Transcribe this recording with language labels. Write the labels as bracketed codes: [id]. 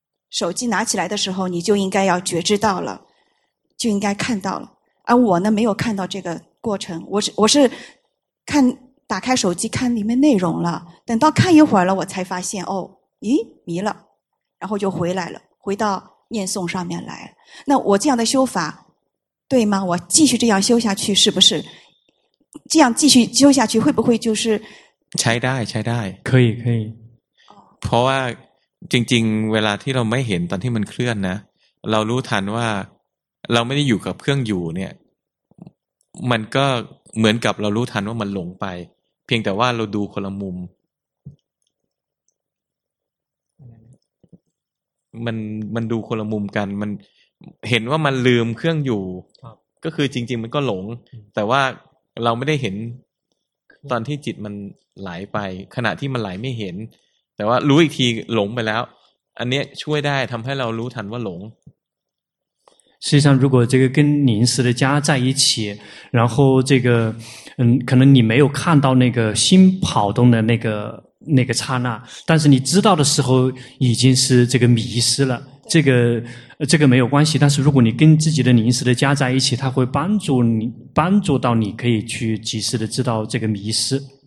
[zh] 手机拿起来的时候你就应该要觉知到了就应该看到了而我呢没有看到这个过程我是看打开手机看里面内容了等到看一会儿了我才发现哦咦迷了然后就回来了回到念诵上面来那我这样的修法对吗我继续这样修下去是不是这样继续修下去会不会就是 [th] ใช้ได้ [zh] 可以可以 [th] เพราะว่าจริงๆเวลาที่เราไม่เห็นตอนที่มันเคลื่อนนะเรารู้ทันว่าเราไม่ได้อยู่กับเครื่องอยู่เนี่ยมันก็เหมือนกับเรารู้ทันว่ามันหลงไปเพียงแต่ว่าเราดูคนละมุมมันดูคนละมุมกันมัน เห็นว่ามันลืมเครื่องอยู่ ก็คือจริงๆมันก็หลงแต่ว่าเราไม่ได้เห็นตอนที่จิตมันไหลไปขณะที่มันไหลไม่เห็นแต่ว่ารู้อีกทีหลงไปแล้วอันเนี้ยช่วยได้ทำให้เรารู้ทันว่าหลง [zh] 实际上如果这个跟临时的家在一起然后这个可能你没有看到那个心跑动的那个刹那但是你知道的时候已经是这个迷失了这个没有关系但是如果你跟自己的临时的家在一起它会帮助你帮助到你可以去及时的知道这个迷失